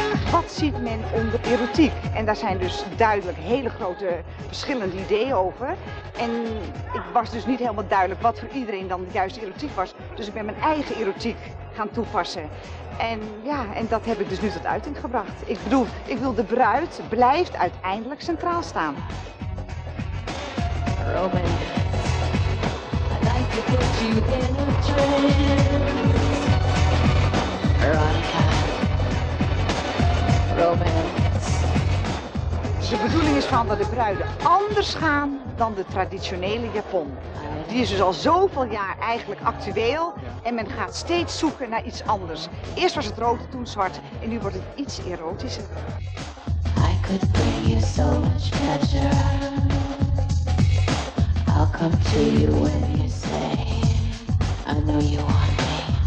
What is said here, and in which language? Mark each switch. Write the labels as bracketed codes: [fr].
[nl] Wat ziet men onder erotiek? En daar zijn dus duidelijk hele grote verschillende ideeën over. En ik was dus niet helemaal duidelijk wat voor iedereen dan juist erotiek was. Dus ik ben mijn eigen erotiek gaan toepassen. En ja, en dat heb ik dus nu tot uiting gebracht. Ik bedoel, ik wil de bruid blijft uiteindelijk centraal staan. Robin. [en] I'd like to put you in a trance. [nl] Veronica. Robin. De bedoeling is gewoon dat de bruiden anders gaan dan de traditionele Japon. Die is dus al zoveel jaar eigenlijk actueel en men gaat steeds zoeken naar iets anders. Eerst was het rood, toen zwart en nu wordt het iets erotischer. [en] I could bring you so much pleasure. I'll come to you when you say, I know you want me.